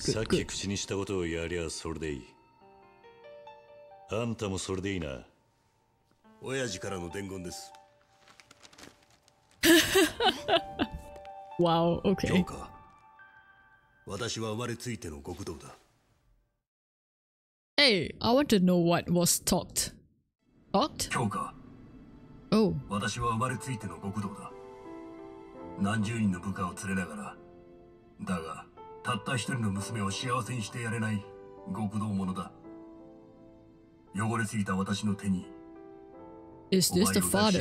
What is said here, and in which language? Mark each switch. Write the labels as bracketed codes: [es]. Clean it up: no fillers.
[ja] さっき口にしたことをやりゃそれでいい。あんたもそれでいいな。親父からの伝言です。 [en] Wow, okay. [ja] 京香。私は生まれついての極道だ。 [en] Hey, I want to know what was talked. Talked? [ja] 京香。 [en] Oh. [ja] 私は生まれついての極道だ。何十人の部下を連れながら、だが、たった一人の娘を幸せにしてやれない極道者だ。汚れすぎた私の手に、 [en] Is this the father?